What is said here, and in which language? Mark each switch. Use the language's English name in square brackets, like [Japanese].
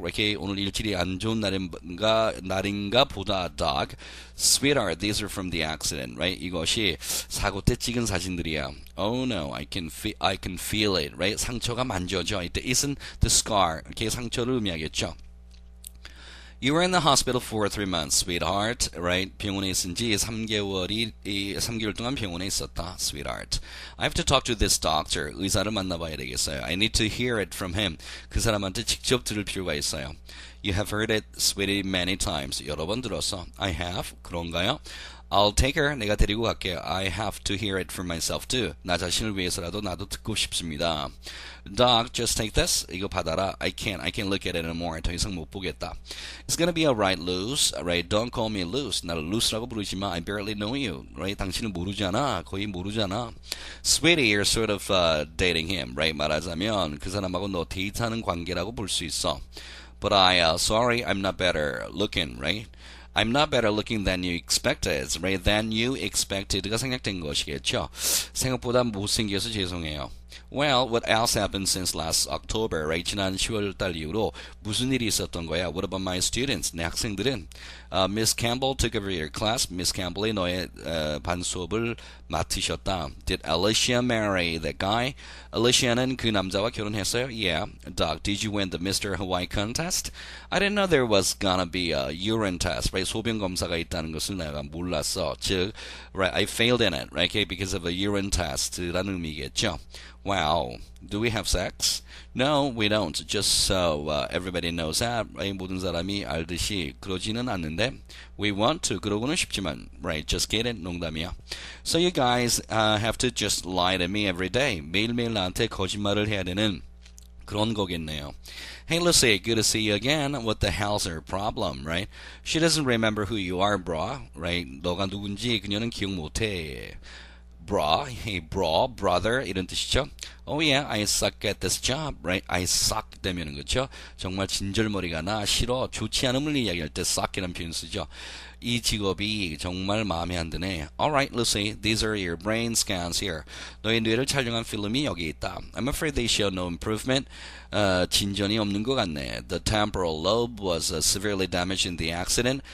[Korean] 이렇게 오늘 일질이 안 좋은 날인가 보다, dog. [English] Sweetheart, these are from the accident, right? [Korean] 이것이 사고 때 찍은 사진들이야. [English] Oh no, I can feel it, right? [Korean] 상처가 만져져. [English] It isn't the scar. [Korean] 이렇게 상처를 의미하겠죠. [English] You were in the hospital for 3 months, sweetheart, right? [Korean] 병원에 있은 지 3개월 동안 병원에 있었다, sweetheart. [English] I have to talk to this doctor. [Korean] 의사를 만나봐야 되겠어요. [English] I need to hear it from him. [Korean] 그 사람한테 직접 들을 필요가 있어요. [English] You have heard it, sweetie, many times. [Korean] 여러 번 들었어. [English] I have. [Korean] 그런가요? [English] I'll take her. [Korean] 내가 데리고 갈게요. [English] I have to hear it for myself too. [Korean] 나 자신을 위해서라도 나도 듣고 싶습니다. [English] Doc, just take this. [Korean] 이거 받아라. [English] I can't look at it anymore. [Korean] 더 이상 못 보겠다. [English] It's gonna be alright, Luz. Alright, don't call me Luz. [Korean] 나를 Luz라고 부르지 마. [English] I barely know you. Right? [Korean] 당신은 모르잖아. 거의 모르잖아. [English] Sweetie, you're sort of dating him. Right? [Korean] 말하자면 그 사람하고 너 데이트하는 관계라고 볼 수 있어. [English] But sorry, I'm not better looking. Right? I'm not better looking than you expected, right? Than you expected [Korean] 가 생각된 것이겠죠. 생각보다 못생겨서 죄송해요. [English] Well, what else happened since last October, right? [Korean] 지난 10월달 이후로 무슨 일이 있었던 거야? [English] What about my students? [Korean] 내 학생들은? [English] Miss Campbell took over your class. [Korean] Miss Campbell이 너의 반 수업을 맡으셨다. [English] Did Alicia marry that guy? [Korean] Alicia는 그 남자와 결혼했어요? [English] Yeah. Doc, did you win the Mr. Hawaii contest? I didn't know there was gonna be a urine test, right? [Korean] 소변 검사가 있다는 것을 내가 몰랐어. [English] 즉, right, I failed in it, right? Because of a urine test라는 [Korean] 의미겠죠. [English] Wow, do we have sex? No, we don't. Just so everybody knows that. [Korean] 모든 사람이 알듯이 그러지는 않는데. [English] We want to. [Korean] 그러고는 싶지만. [English] Right, just get it. [Korean] 농담이야. [English] So you guys have to just lie to me every day. [Korean] 매일매일 나한테 거짓말을 해야 되는 그런 거겠네요. [English] Hey Lucy, good to see you again. What the hell's her problem, right? She doesn't remember who you are, brah. Right, [Korean] 너가 누군지 그녀는 기억 못해. [English] Bra, hey bra, brother, [Korean] 이런 뜻이죠. [English] Oh yeah, I suck at this job, right? I suck [Korean] 되면은 그렇죠. 정말 진절머리가 나, 싫어, 좋지 않음을 이야기할 때 suck이라는 표현 쓰죠. 이 직업이 정말 마음에 안 드네. [English] Alright, Lucy, these are your brain scans here. [Korean] 너의 뇌를 촬영한 필름이 여기 있다. [English] I'm afraid they show no improvement. [Korean] 진전이 없는 것 같네. [English] The temporal lobe was severely damaged in the accident.